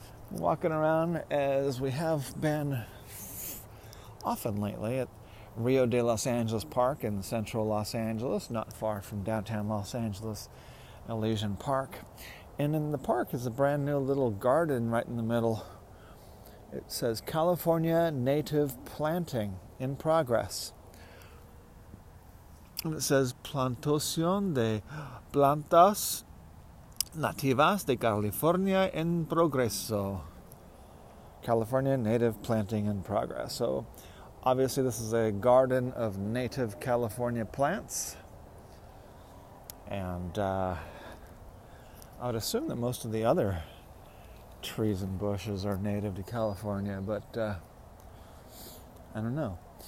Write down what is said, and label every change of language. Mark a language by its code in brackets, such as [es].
[en] Walking around as we have been often lately at Rio de Los Angeles Park in central Los Angeles, not far from downtown Los Angeles, Elysian Park. And in the park is a brand new little garden right in the middle. It says California Native Planting in Progress. [es] And it says Plantación de Plantas Nativas de California en Progreso. [en] California Native Planting in Progress. So obviously, this is a garden of native California plants, and I would assume that most of the other trees and bushes are native to California, but I don't know.